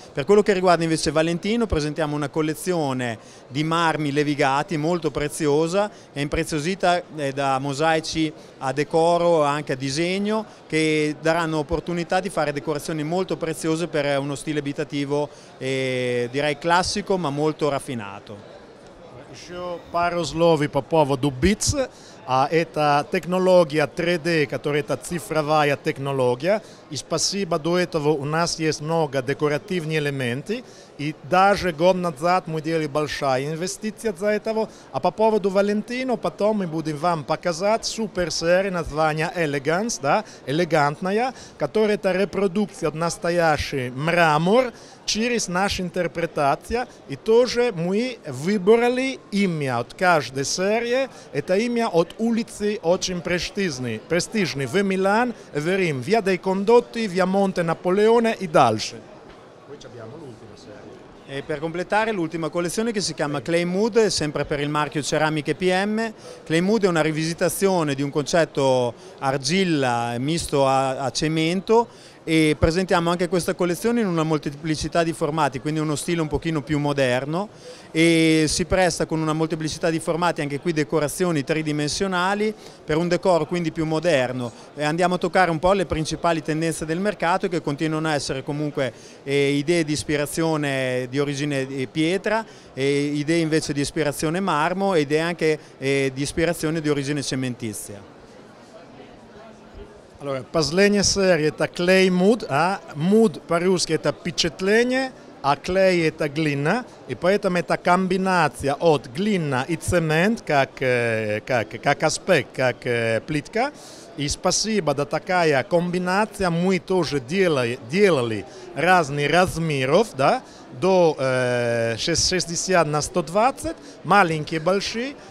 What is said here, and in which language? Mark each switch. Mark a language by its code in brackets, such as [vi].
[it] Per quello che riguarda invece Valentino presentiamo una collezione di marmi levigati molto preziosa, è impreziosita da mosaici a decoro anche a disegno che daranno opportunità di fare decorazioni molto preziose per uno stile abitativo direi classico ma molto raffinato. [ru] Еще пару слов по поводу BITS. Это технология 3D, которая это цифровая технология. И спасибо до этого у нас есть много декоративных элементов. И даже год назад мы делали большая инвестиция за этого. А по поводу Валентино, потом мы будем вам показать суперсерию, название Elegance, да, элегантная, которая это репродукция настоящий мрамор через нашу интерпретацию. И тоже мы выбрали имя от каждой серии. Это имя от улицы очень престижной в Милан, в Рим, Via dei Condotti, Via Monte Napoleone и дальше. [it] E per completare l'ultima collezione che si chiama Clay Mood, sempre per il marchio Ceramiche PM. Clay Mood è una rivisitazione di un concetto argilla misto a cemento e presentiamo anche questa collezione in una molteplicità di formati, quindi uno stile un pochino più moderno e si presta con una molteplicità di formati, anche qui decorazioni tridimensionali, per un decoro quindi più moderno. E andiamo a toccare un po' le principali tendenze del mercato che continuano a essere comunque idee di ispirazione di origine pietra, e idee invece di ispirazione marmo e idee anche di ispirazione di origine cementizia. Allora, [ru] последняя серия это clay mood, а mood по-русски это впечатление, а clay это глина, и поэтому это комбинация от глина и цемент как аспект, как плитка. И спасибо, да такая комбинация, мы тоже делали разных размеров, да, до 60 на 120, маленькие, большие.